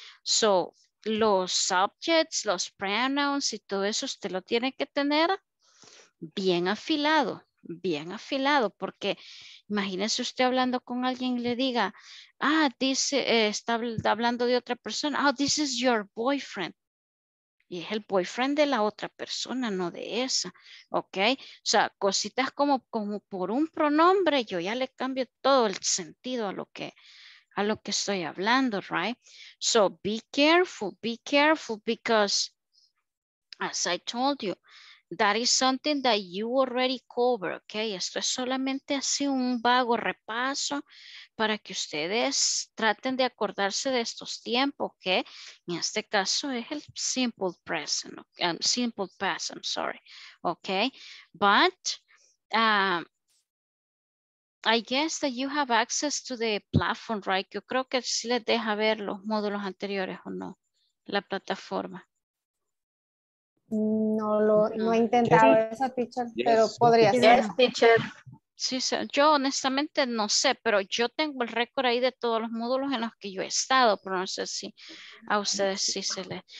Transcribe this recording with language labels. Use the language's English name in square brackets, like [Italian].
[Spanish] So, los subjects, los pronouns y todo eso, usted lo tiene que tener bien afilado, porque imagínese usted hablando con alguien y le diga, ah, dice, está hablando de otra persona, ah, [English] oh, this is your boyfriend. [Spanish] Y es el boyfriend de la otra persona, no de esa, ¿ok? O sea, cositas como, como por un pronombre, yo ya le cambio todo el sentido a lo que estoy hablando, right? [English] So, be careful, because, as I told you, that is something that you already covered, ¿ok? [Spanish] Esto es solamente así un vago repaso para que ustedes traten de acordarse de estos tiempos, ¿ok? En este caso es el simple present, simple past, [English] I'm sorry, [Spanish] ¿ok? [English] But I guess that you have access to the platform, right? [Spanish] Yo creo que sí les deja ver los módulos anteriores o no, la plataforma. No lo no he intentado esa teacher, [English] yes, [Spanish] pero podría ser. [English] Yes, teacher. [Spanish] Sí, yo honestamente no sé, pero yo tengo el récord ahí de todos los módulos en los que yo he estado, pero no sé si a ustedes sí se les.